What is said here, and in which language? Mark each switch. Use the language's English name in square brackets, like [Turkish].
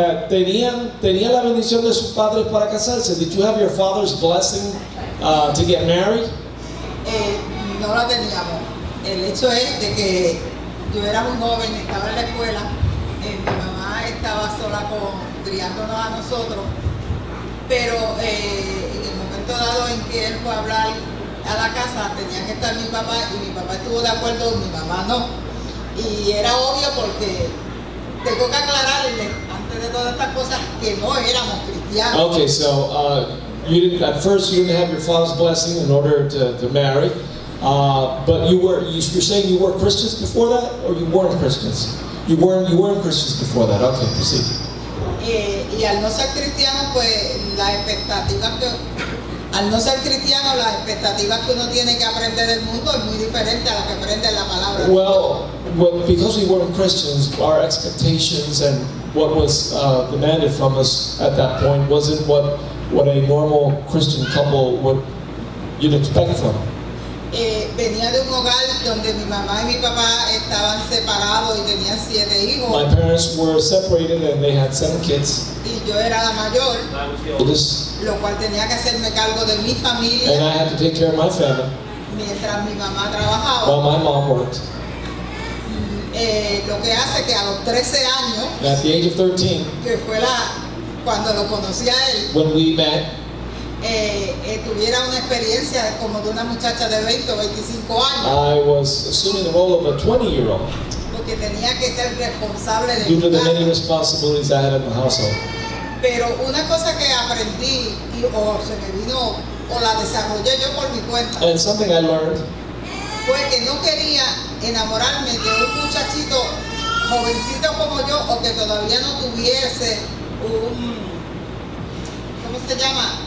[Spanish] ¿Tenía la bendición de sus padres para casarse? [English] Did you have your father's blessing to get married? [Spanish] No la teníamos. El hecho es de que yo era muy joven, estaba en la escuela, mi mamá estaba sola criándonos a nosotros, pero en el momento dado en que él fue a hablar a la casa, tenía que estar mi papá y mi papá estuvo de acuerdo y mi mamá no. Y era obvio porque tengo que aclararle, antes de todas estas cosas, que no éramos cristianos. [English] Okay, so you didn't have your father's blessing in order to marry. But you're saying you were Christians before that, or you weren't Christians? You weren't Christians before that. Okay, proceed. [Spanish] Y al no ser cristiano, pues las expectativas que al no ser cristiano, las expectativas que uno tiene que aprender del mundo es muy diferente a las que aprende en la palabra. [English] Well, because we weren't Christians, our expectations and what was demanded from us at that point wasn't what a normal Christian couple would you'd expect from. [Spanish] Venía de un hogar donde mi mamá y mi papá estaban separados y tenían 7 hijos. [English] My parents were separated and they had 7 kids. [Spanish] Y yo era la mayor. Lo cual tenía que hacerme cargo de mi familia. [English] And I had to take care of my family. [Spanish] Mientras mi mamá trabajaba. [English] While my mom worked. [Spanish] Lo que hace que a los 13 años. [English] And at the age of 13. [Spanish] Que fue la cuando lo conocí a él. [English] When we met. [Spanish] Tuviera una experiencia como de una muchacha de 20 o 25 años. [English] I was assuming the role of a 20-year-old. [Spanish] Porque tenía que ser responsable de [English] due to the many responsibilities I had in the household. [Spanish] Pero una cosa que aprendí y o se me vino o la desarrollé yo por mi cuenta. [English] And something I learned. [Spanish] Fue que no quería enamorarme de un muchachito jovencito como yo o que todavía no tuviese un ¿cómo se llama?